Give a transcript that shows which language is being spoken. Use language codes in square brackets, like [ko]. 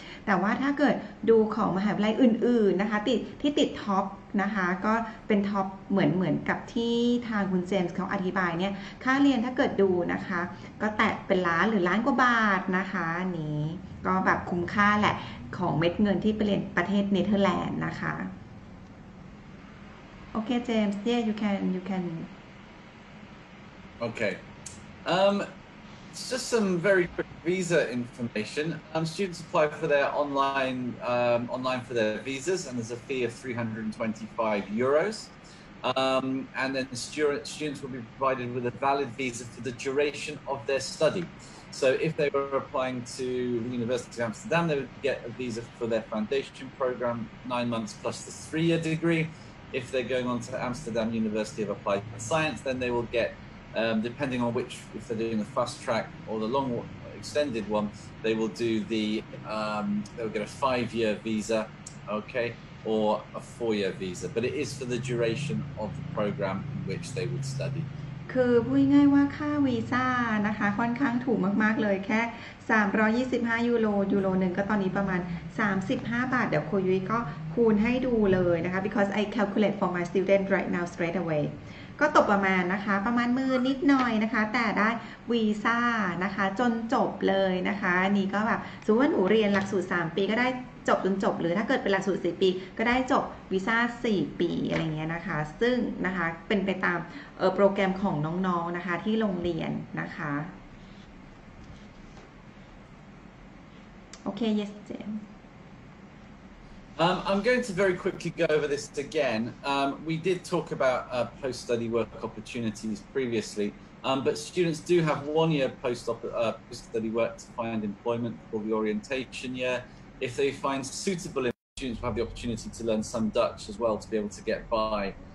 [th] แต่ว่าถ้าเกิดดูของมหาวิทยาลัยอื่นๆนะคะที่ติดท็อปนะคะก็เป็นท็อปเหมือนกับที่ทางคุณเจมส์เขาอธิบายเนี่ยค่าเรียนถ้าเกิดดูนะคะก็แตะเป็นล้านหรือล้านกว่าบาทนะคะนี้ก็แบบคุ้มค่าแหละของเม็ดเงินที่ไปเรียนประเทศเนเธอร์แลนด์นะคะโอเคเจมส์ [en] yeah you can okay it's just some very quick visa information students apply for their online for their visas and there's a fee of €325 and then students will be provided with a valid visa for the duration of their study. So if they were applying to the University of Amsterdam, they would get a visa for their foundation program, 9 months plus the 3-year degree. If they're going on to Amsterdam University of Applied Science, then they will get, depending on which, if they're doing the fast track or the long extended one, they will do the, they'll get a 5-year visa, okay, or a 4-year visa. But it is for the duration of the program in which they would study. [th] คือพูดง่ายว่าค่าวีซ่านะคะค่อนข้างถูกมากๆเลยแค่325ยูโรยูโรหนึ่งก็ตอนนี้ประมาณ35บาทเดี๋ยวครูยุ้ยก็คูณให้ดูเลยนะคะ [en] because I calculate for my student right now straight away [th] ก็ตกประมาณนะคะประมาณ10,000นิดหน่อยนะคะแต่ได้วีซ่านะคะจนจบเลยนะคะนี่ก็แบบสมมติว่าหนูเรียนหลักสูตร3ปีก็ได้จบจนจบหรือถ้าเกิดเป็นหลักสูตร4ปีก็ได้จบวีซ่า4ปีอะไรเงี้ยนะคะซึ่งนะคะเป็นไปตามโปรแกรมของน้องๆนะคะที่โรงเรียนนะคะโอเค yes เจม [en] I'm going to very quickly go over this again. We did talk about post-study work opportunities previously, but students do have 1 year post-study work to find employment for the orientation year. If they find suitable, students will have the opportunity to learn some Dutch as well to be able to get by.